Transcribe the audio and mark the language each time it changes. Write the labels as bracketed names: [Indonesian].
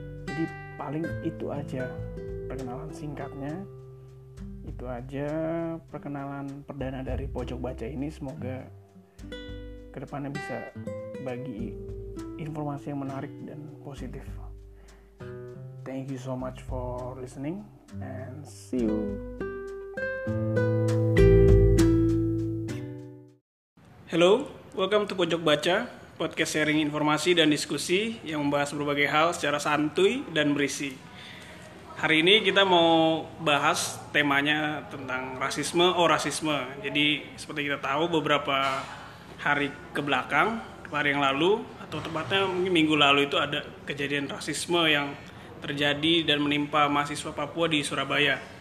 [Indonesian] Jadi paling itu aja perkenalan singkatnya. Itu aja perkenalan perdana dari Pojok Baca ini. Semoga kedepannya bisa bagi informasi yang menarik dan positif. [English] Thank you so much for listening and see you. Hello, welcome to [Indonesian] Pojok Baca, podcast sharing informasi dan diskusi yang membahas berbagai hal secara santuy dan berisi. Hari ini kita mau bahas temanya tentang rasisme. Jadi seperti kita tahu, beberapa hari kebelakang, hari yang lalu atau tepatnya mungkin minggu lalu, itu ada kejadian rasisme yang terjadi dan menimpa mahasiswa Papua di Surabaya.